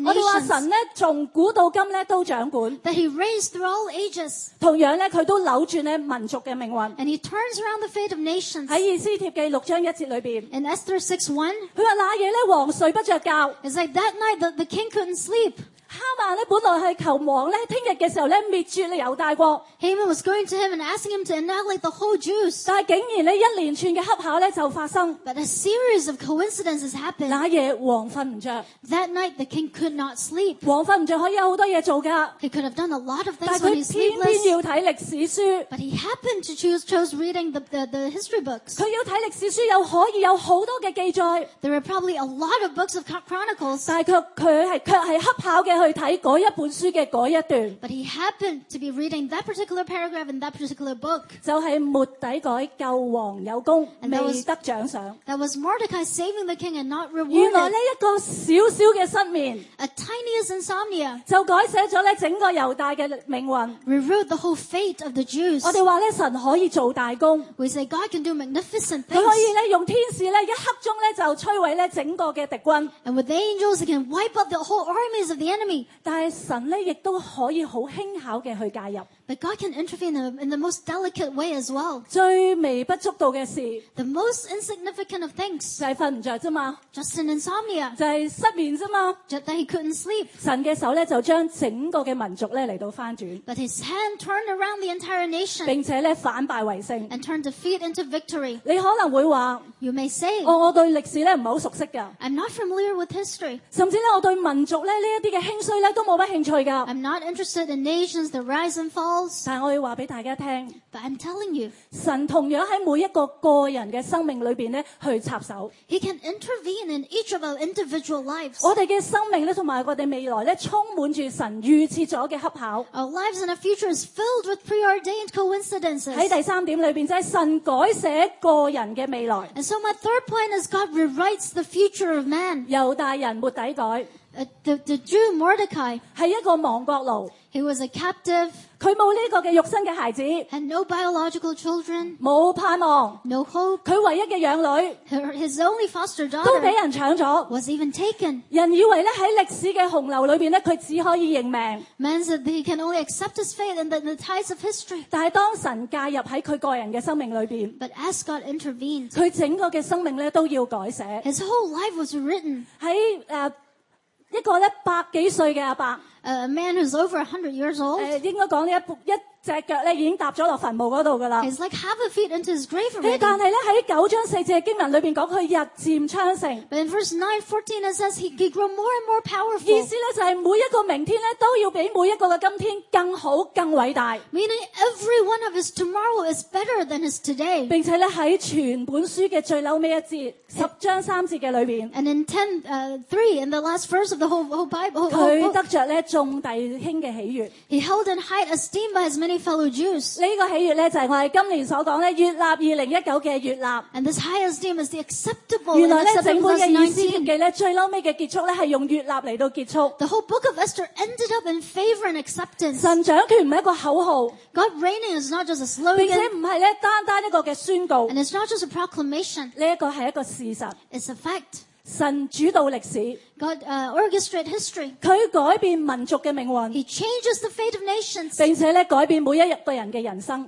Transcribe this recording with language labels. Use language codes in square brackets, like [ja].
[yue] 我哋话神咧，从古到今咧都掌管。 [en] That He reigns through all ages。 [yue] 同样咧，佢都扭转咧民族嘅命运。 [en] And He turns around the fate of nations。 [yue] 喺以斯帖记六章一节里边。 [en] In Esther 6:1， [yue] 佢话那夜咧王睡不着觉。 [en] It's like that night the king couldn't sleep。 [yue] 哈曼咧本来系求王咧听日嘅时候咧灭绝你犹大国。 [en] Haman was going to him and asking him to annihilate the whole Jews。 [yue] 但系竟然咧一连串嘅恰巧咧就发生。 [en] But a series of coincidences happened。 [yue] 那夜王瞓唔着。 [en] That night the king could not sleep。 [yue] 王瞓唔着可以有好多嘢做噶。 [en] He could have done a lot of things when he's sleepless。 [yue] 但系佢偏偏要睇历史书。 [en] But he happened to chose reading the history books。 [yue] 佢要睇历史书又可以有好多嘅记载。 [en] There are probably a lot of books of chronicles。 [yue] 但系却系恰巧嘅。去睇嗰一本书嘅嗰一段 [en] ，But he happened to be reading that particular paragraph in that particular book。 [yue] 就系末底改救王有功，未得奖赏。 [en] That was Mordecai saving the king and not rewarded。 [yue] 原来咧一个小小嘅失眠 [en] ，a tiniest insomnia， [yue] 就改写咗咧整个犹大嘅命运 [en] ，rewrote the whole fate of the Jews。 [yue] 我哋话咧神可以做大功 [en] ，We say God can do magnificent things。 [yue] 佢可以咧用天使咧一刻钟咧就摧毁咧整个嘅敌军 [en] ，and with angels he can wipe out the whole armies of the enemy。 [yue] 但系神咧，亦都可以好轻巧嘅去介入。 [en] But God can intervene in the most delicate way as well. [yue] 最微不足道嘅事 [en] ，the most insignificant of things， [yue] 就系瞓唔着啫嘛。 [en] Just an insomnia， [yue] 就系失眠啫嘛。 [en] Just that he couldn't sleep。 [yue] 神嘅手咧就将整个嘅民族咧嚟到翻转。 [en] But his hand turned around the entire nation， [yue] 并且咧反败为胜。 [en] And turned defeat into victory。 [yue] 你可能会话 [en] ，You may say， [yue] 我对历史咧唔系好熟悉噶。 [en] I'm not familiar with history。 [yue] 甚至咧我对民族咧呢一啲嘅兴衰咧都冇乜兴趣噶。 [en] I'm not interested in nations, the rise and fall。 [yue] 但我要话俾大家听 [en] ，But I'm telling you， [yue] 神同样喺每一个个人嘅生命里边咧去插手。 [en] He can intervene in each of our individual lives。 [yue] 我哋嘅生命咧同埋我哋未来咧充满住神预设咗嘅恰巧。 [en] Our lives and our future is filled with preordained coincidences。 [yue] 喺第三点里边就系神改写个人嘅未来。 [en] And so my third point is God rewrites the future of man。 [yue] 犹大人末底改。 [en] The Jew Mordecai [yue] 是一个亡国奴 [en] He was a captive. [yue] 佢冇呢个嘅肉身嘅孩子。 [en] Had no biological children. [yue] 冇盼望。 [en] No hope. [yue] 佢唯一嘅养女。 [en] His only foster daughter. [yue] 都俾人抢咗。 [en] Was even taken. [yue] 人以为咧喺历史嘅洪流里边咧，佢只可以认命。 [en] Man said he can only accept his fate in the tides of history. [yue] 但系当神介入喺佢个人嘅生命里边 [en] ，But as God intervened, [yue] 佢整个嘅生命咧都要改写。 [en] His whole life was written. [yue] 喺一个咧百几岁嘅阿伯。 [en] A man who's over 100 years old. [yue] 应该讲一只脚咧已经踏咗落坟墓嗰度噶啦。 [en] He's like half a feet into his grave already. [yue] 但系咧喺九章四节经文里边讲佢日渐昌盛。 [en] But in verse 9:14 it says he grew more and more powerful. [yue] 意思咧就系每一个明天咧都要比每一个嘅今天更好更伟大。 [en] Meaning every one of his tomorrow is better than his today. [yue] 并且咧喺全本书嘅最后尾一节十章三节嘅里边。 [en] And in 10:3 in the last verse of the whole Bible. [yue] 佢得着咧。众弟兄嘅喜悦 [en] ，He held in high esteem by his many fellow Jews。 [yue] 呢个喜悦咧就系我哋今年所讲咧，悦纳2019嘅悦纳。 [en] And this high esteem is the acceptable. [yue] 原来咧整本嘅以斯帖记咧，最嬲尾嘅结束咧系用悦纳嚟到结束。 [en] The whole book of Esther ended up in favor and acceptance。 [yue] 神掌权唔系一个口号 [en] ，God reigning is not just a slogan， [yue] 并且唔系咧单单一个嘅宣告。 [en] And it's not just a proclamation。 [yue] 呢一个系一个事实 [en] ，It's a fact。 [yue] 神主导历史 [en] ，God orchestrate history。 [yue] 佢改变民族嘅命运 [en] ，He changes the fate of nations。 [yue] 并且咧改变每一日个人嘅人生